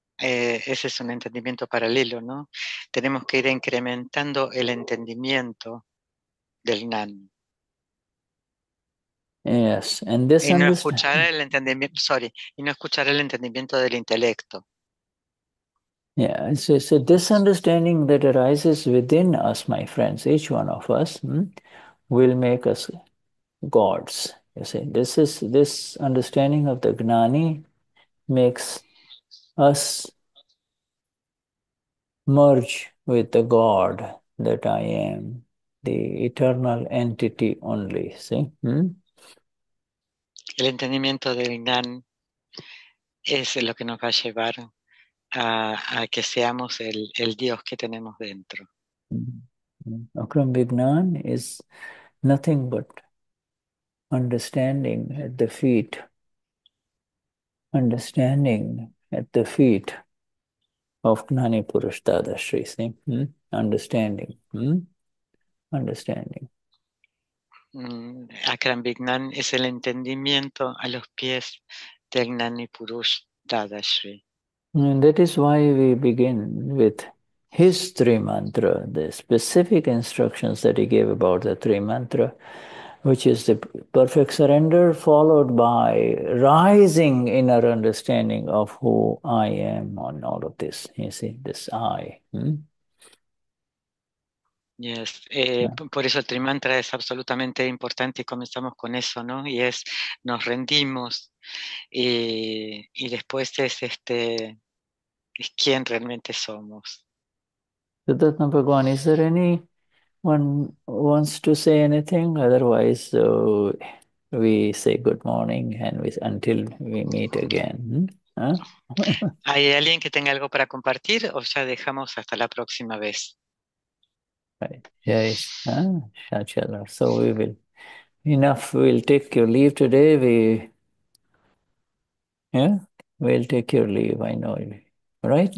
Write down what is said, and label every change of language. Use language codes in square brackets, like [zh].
[es] Ese es un entendimiento paralelo, ¿no? Tenemos que ir incrementando el entendimiento del Gnani. [en] Yes, and this no understanding. [es] escuchar el entendimiento, sorry, y no escuchar el entendimiento del intelecto. [en] Yeah, it's a disunderstanding that arises within us, my friends, each one of us, will make us gods. You see, this understanding of the Gnani makes us merge with the God that I am, the eternal entity only. See? [es] El entendimiento del Gnan es lo que nos va a llevar a que seamos el Dios que tenemos dentro. [en] Akram Vignan is nothing but understanding at the feet, understanding at the feet of Gnani Purush Dadashri, see? Understanding, understanding. [es] Akram Vignan es el entendimiento a los pies del Gnani Purush Dadashri. [en] And that is why we begin with his three mantra, the specific instructions that he gave about the three mantra, which is the perfect surrender followed by rising inner understanding of who I am on all of this. You see, this I. [es] Yes, por eso el trimantra es absolutamente importante y comenzamos con eso, ¿no? Y es nos rendimos y después es es quién realmente somos. [en] Siddhartha, is there anyone wants to say anything? Otherwise, we say good morning and until we meet again. [es] ¿Hay alguien que tenga algo para compartir o ya dejamos hasta la próxima vez? [en] Right. Yes. So we will. Enough. We'll take your leave today. We'll take your leave. I know. Right.